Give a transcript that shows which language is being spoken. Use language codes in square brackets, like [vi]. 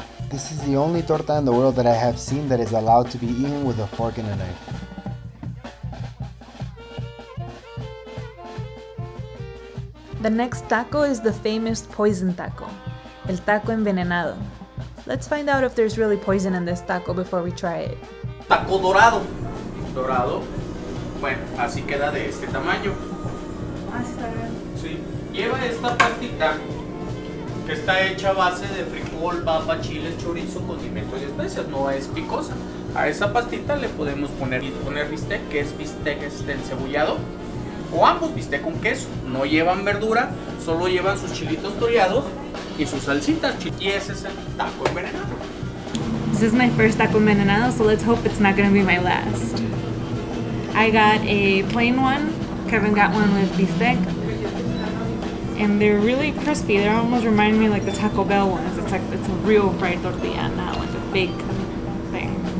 [en] This is the only torta in the world that I have seen that is allowed to be eaten with a fork and a knife. The next taco is the famous poison taco, [es] el taco envenenado. [en] Let's find out if there's really poison in this taco before we try it. [es] Taco dorado. Dorado. Bueno, así queda de este tamaño. Así está bien. Sí. Lleva esta partita que está hecha a base de frijol, papa, chile, chorizo, condimentos y especias. No es picosa. A esa pastita le podemos poner bistec, que es bistec encebollado. O ambos, bistec con queso. No llevan verdura, solo llevan sus chilitos toreados y sus salsitas. Y ese es el taco envenenado. [en] This is my first taco envenenado, so let's hope it's not going to be my last. I got a plain one. Kevin got one with bistec. And they're really crispy. They almost remind me like the Taco Bell ones. It's like it's a real fried tortilla, not like a fake thing.